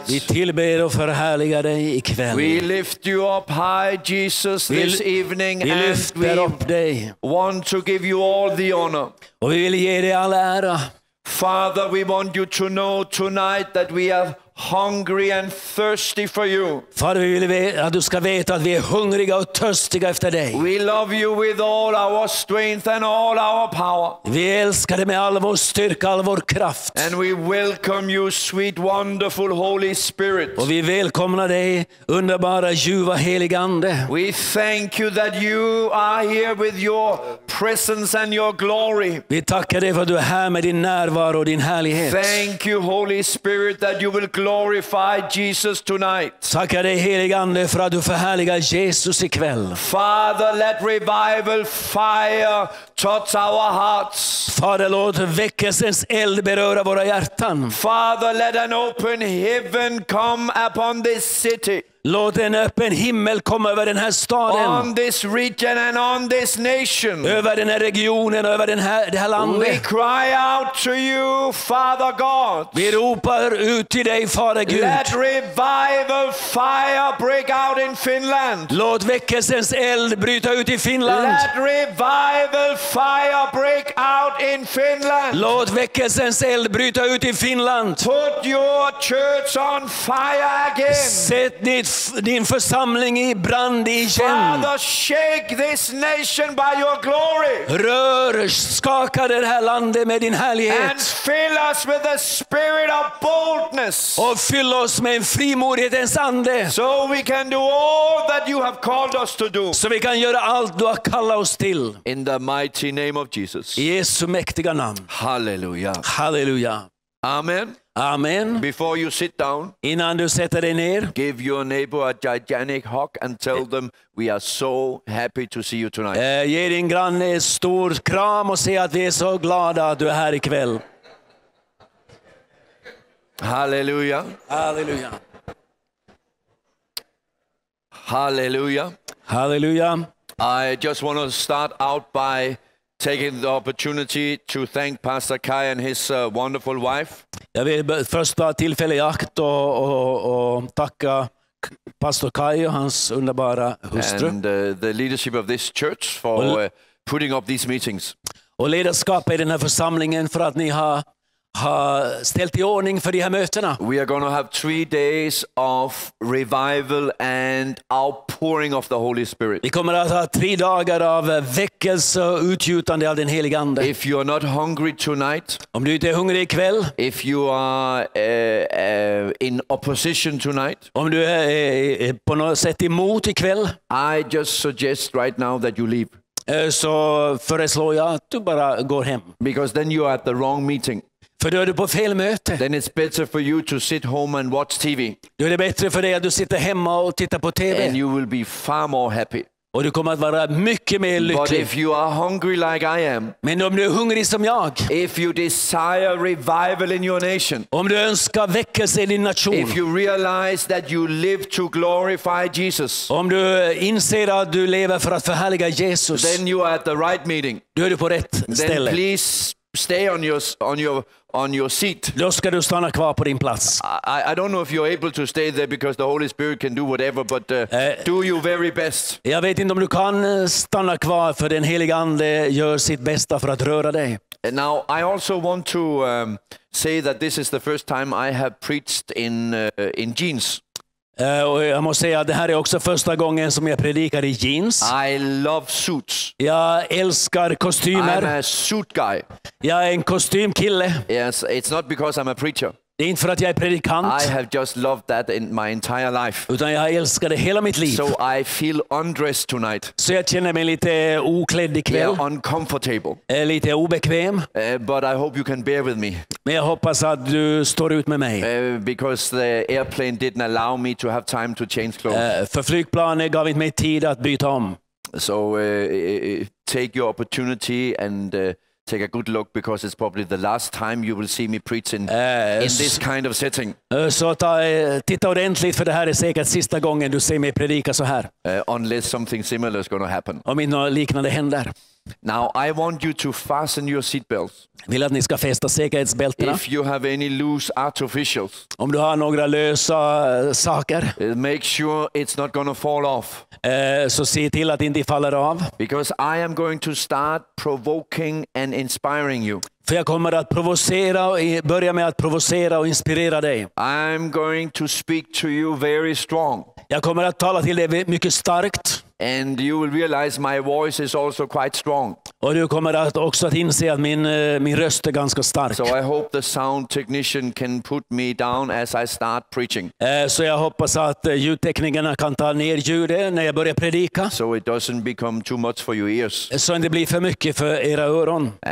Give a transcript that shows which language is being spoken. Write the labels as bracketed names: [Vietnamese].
[Swedish] Vi tillber och förhärligar dig ikväll. [English] We lift you up high, Jesus, this evening, [Swedish] vi lyfter [English] and we [Swedish] upp dig. [English] Want to give you all the honor. [Swedish] Och vi vill ge dig all ära. [English] Father, we want you to know tonight that we are hungry and thirsty for you. [Swedish] Fader, vi vill att du ska veta att vi är hungriga och törstiga efter dig. [English] We love you with all our strength and all our power. [Swedish] Vi älskar dig med all vår styrka, all vår kraft. [English] And we welcome you, sweet, wonderful Holy Spirit. [Swedish] Och vi välkomnar dig, underbara, ljuva, heliga ande. [English] We thank you that you are here with your presence and your glory. [Swedish] Vi tackar dig för att du är här med din närvaro och din härlighet. [English] Thank you, Holy Spirit, that you will glorify Jesus tonight. [Swedish] Tackar dig helige ande för att du förhärligar Jesus ikväll. [English] Father, let revival fire touch our hearts. [Swedish] Fader, låt väckelsens eld beröra våra hjärtan. [English] Father, let an open heaven come upon this city. [Swedish] Låt en öppen himmel komma över den här staden. [English] On this region and on this nation. [Swedish] Över den här regionen och över den här, det här landet. [English] We cry out to you, Father God. [Swedish] Vi ropar ut till dig, Fader Gud. [English] Let revival fire break out in Finland. [Swedish] Låt väckelsens eld bryta ut i Finland. [English] Let revival fire break out in Finland. [Swedish] Låt väckelsens eld bryta ut i Finland. [English] Put your church on fire again. [Swedish] Sätt ditt din församling i brand igen. [English] Father, shake this nation by your glory. [Swedish] Rör, skaka det här landet med din härlighet. [English] And fill us with the spirit of boldness. [Swedish] Och fyll oss med en frimodighetens ande. [English] So we can do all that you have called us to do. [Swedish] Så vi kan göra allt du har kallat oss till. [English] In the mighty name of Jesus. [Swedish] I Jesu mäktiga namn. [English] Halleluja. [Swedish] Halleluja. [English] Amen. [Swedish] Amen. [English] Before you sit down, [Swedish] innan du sätter dig ner, [English] give your neighbor a gigantic hug and tell them we are so happy to see you tonight. [Swedish] Ge din granne en stor kram och säg att vi är så glada att du är här ikväll. [English] Halleluja. [Swedish] Halleluja. [English] Halleluja. [Swedish] Halleluja. [English] I just want to start out by taking the opportunity to thank Pastor Kai and his wonderful wife. [Swedish] Jag vill först ta tillfälle i akt och tacka Pastor Kai och hans underbara hustru. [English] And the leadership of this church for putting up these meetings. [Swedish] Och ledarskapet i den här församlingen för att ni har ställt i ordning för de här mötena. [English] We are going to have 3 days of revival and outpouring of the Holy Spirit. [Swedish] Vi kommer att ha 3 dagar av väckelse och utgjutande av den helige ande. [English] If you are not hungry tonight, [Swedish] om du inte är hungrig ikväll, [English] if you are in opposition tonight, [Swedish] om du är på något sätt emot ikväll, [English] I just suggest right now that you leave. [Swedish] Så föreslår jag att du bara går hem. [English] Because then you are at the wrong meeting. [Swedish] För då är du på fel möte. [English] Then it's better for you to sit home and watch TV. [Swedish] Då är det bättre för dig att du sitter hemma och tittar på TV. [English] And you will be far more happy. [Swedish] Och du kommer att vara mycket mer lycklig. [English] But if you are hungry like I am. [Swedish] Men om du är hungrig som jag. [English] If you desire revival in your nation. [Swedish] Om du önskar väckelse i din nation. [English] If you realize that you live to glorify Jesus. [Swedish] Om du inser att du lever för att förhärliga Jesus. [English] Then you are at the right meeting. [Swedish] Då är du på rätt ställe. [English] Then please stay on your seat. [Swedish] Då ska du stanna kvar på din plats. [English] I don't know if you're able to stay there because the Holy Spirit can do whatever, but do your very best. [Swedish] Jag vet inte om du kan stanna kvar för den helige ande gör sitt bästa för att röra dig. [English] And now I also want to say that this is the first time I have preached in jeans. [Swedish] Jag måste säga att det här är också första gången som jag predikar i jeans. [English] I love suits. [Swedish] Jag älskar kostymer. [English] I'm a suit guy. [Swedish] Jag är en kostymkille. [English] Yes, it's not because I'm a preacher. [Swedish] Det är inte för att jag är predikant. [English] I have just loved that in my entire life. [Swedish] Utan jag älskar det hela mitt liv. [English] So I feel undressed tonight. [Swedish] Så jag känner mig lite oklädd ikväll. [English] Yeah, uncomfortable. [Swedish] Är lite obekväm. [English] But I hope you can bear with me. [Swedish] Men jag hoppas att du står ut med mig. [English] Because the airplane didn't allow me to have time to change clothes. [Swedish] För flygplanet gav inte mig tid att byta om. [English] So take your opportunity and take a good look because it's probably the last time you will see me preach in this kind of setting. [Swedish] Titta ordentligt för det här är säkert sista gången du ser mig predika så här. [English] Unless something similar is going to happen. [Swedish] Om inte något liknande händer. [English] Now I want you to fasten your seatbelts. [Swedish] Vill att ni ska fästa säkerhetsbältena. [English] If you have any loose artificials. [Swedish] Om du har några lösa saker. [English] Make sure it's not going to fall off. [Swedish] Så se till att inte faller av. [English] Because I am going to start provoking and inspiring you. [Swedish] För jag kommer att provocera och börja med att provocera och inspirera dig. [English] I'm going to speak to you very strong. [Swedish] Jag kommer att tala till dig mycket starkt. [English] And you will realize my voice is also quite strong. [Swedish] Och du kommer att också att inse att min röst är ganska stark. [English] So I hope the sound technician can put me down as I start preaching. [Swedish] Så jag hoppas att ljudteknikerna kan ta ner ljudet när jag börjar predika. [English] So it doesn't become too much for your ears. [Swedish] Så det inte blir för mycket för era öron.